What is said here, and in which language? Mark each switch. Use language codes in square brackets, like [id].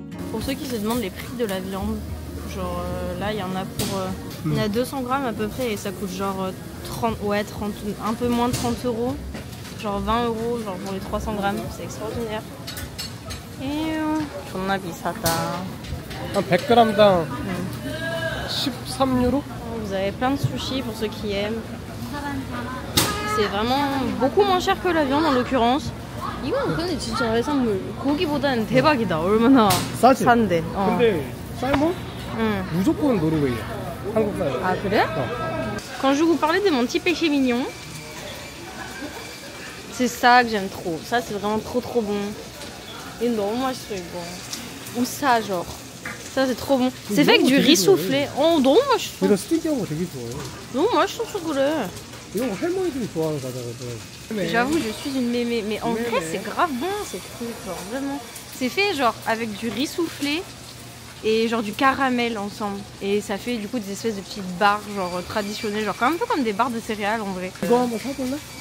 [fr] Pour ceux qui se demandent les prix de la viande, genre là il y en a pour il y a 200 grammes à peu près et ça coûte genre 30, un peu moins de 30 euros, genre 20 euros genre pour les 300 grammes, c'est extraordinaire. Et on a vu ça. 100 grammes d'un 13 euros. Vous avez plein de sushis pour ceux qui aiment. C'est vraiment beaucoup moins cher que la viande en l'occurrence. [ko] 이건 근데 진짜 해산물 고기보다는 대박이다. 얼마나 싸지? 싼데. 어. 근데 삶은? 응. 무조건 노르웨이야. 한국 사람. 아 그래? 어. [fr] Quand je vous parlais de mon petit péché mignon, c'est ça que j'aime trop. Ça c'est vraiment trop trop bon. Et non, moi je suis bon. Ou ça genre. Ça c'est trop bon. C'est fait avec du riz soufflé. Oh non, moi je trouve. [ko] 이거 스틱형 되게 좋아해. 너무 맛있어 그래. 그래. 이거 할머니들이 좋아하는 과자거든. [fr] Mais... J'avoue, je suis une mémé, mais en fait, c'est grave bon, c'est cool, genre, vraiment. C'est fait, genre, avec du riz soufflé et, genre, du caramel ensemble. Et ça fait, du coup, des espèces de petites barres, genre, traditionnelles, genre, un peu comme des barres de céréales, en vrai. Bon, on va faire quoi, là?